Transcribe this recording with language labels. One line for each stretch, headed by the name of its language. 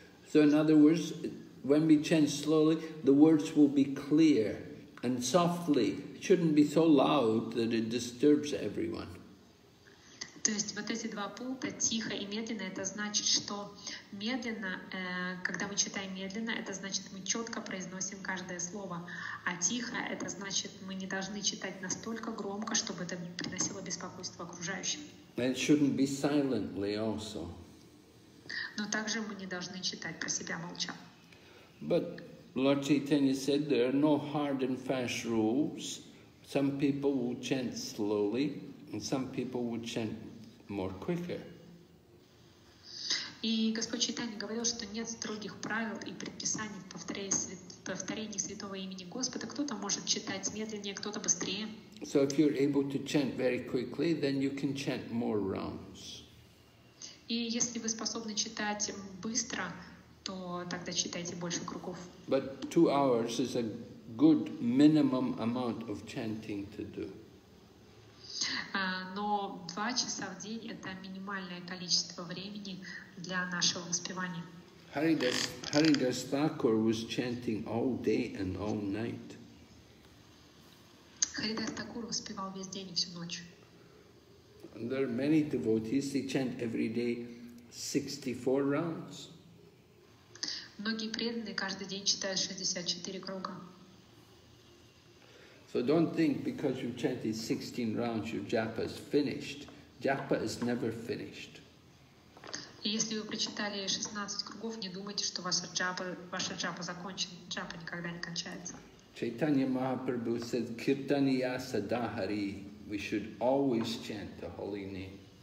English: So in other words, when we chant slowly, the words will be clear and softly. It shouldn't be so loud that it disturbs everyone.
Russian: То есть вот эти два пункта, тихо и медленно, это значит, что медленно, когда мы читаем медленно, это значит, мы четко произносим каждое слово. А тихо, это значит, мы не должны читать настолько громко, чтобы это приносило беспокойство окружающим.
English: It shouldn't be silently also.
Russian: Но также мы не должны читать про себя молча.
English: But Lord Chaitanya said, there are no hard and fast rules. Some people will chant slowly, and some people will chant more quicker.
Russian: И Господь Чайтанья говорил, что нет строгих правил и предписаний в повторении святого имени Господа. Кто-то может читать медленнее, кто-то быстрее.
English: So if you're able to chant very quickly, then you can chant more rounds.
Russian: И если вы способны читать быстро, то тогда читайте больше кругов.
English: But 2 hours is a good minimum amount of chanting to do.
Russian: Но 2 часа в день — это минимальное количество времени для нашего воспевания.
English: Haridas Thakur was chanting all day and all night.
Russian: Haridas Thakur воспевал весь день и всю ночь.
English: And there are many devotees, they chant every day 64 rounds.
Russian: Многие преданные каждый день читают 64 круга.
English: So don't think because you've chanted 16 rounds, your japa is finished. Japa is never finished.
Russian: Если вы прочитали 16 кругов, не думайте, что ваша джапа закончена. Джапа никогда не кончается.
English: Chaitanya Mahaprabhu said, Kirtaniya Sadahari. We should always chant the holy name.